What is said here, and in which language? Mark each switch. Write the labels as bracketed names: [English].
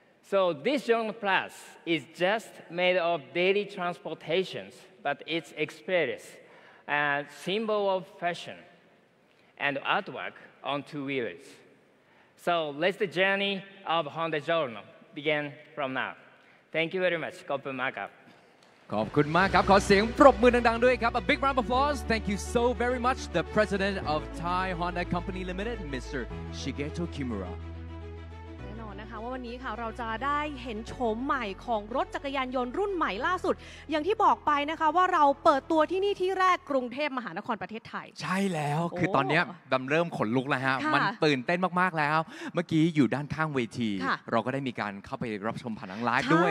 [English] So, this Journal Plus is just made of daily transportations, but its experience, a symbol of fashion, and artwork on two wheels. So let the journey of Honda Journal begin from now. Thank you very much. [Thai] ขอบคุณมากครับ ขอบคุณมากครับ ขอเสียงปรบมือดังๆด้วยครับ [English] A big round of applause. Thank you so very much. The president of Thai Honda Company Limited, Mr. Shigeto Kimura. [Thai] ว่าวันนี้ค่ะเราจะได้เห็นโฉมใหม่ของรถจักรยานยนต์รุ่นใหม่ล่าสุดอย่างที่บอกไปนะคะว่าเราเปิดตัวที่นี่ที่แรกกรุงเทพมหานครประเทศไทย ใช่แล้วคือตอนนี้ดำเริ่มขนลุกแล้วฮะมันตื่นเต้นมากๆแล้วเมื่อกี้อยู่ด้านข้างเวทีเราก็ได้มีการเข้าไปรับชมผ่านทางไลฟ์ด้วย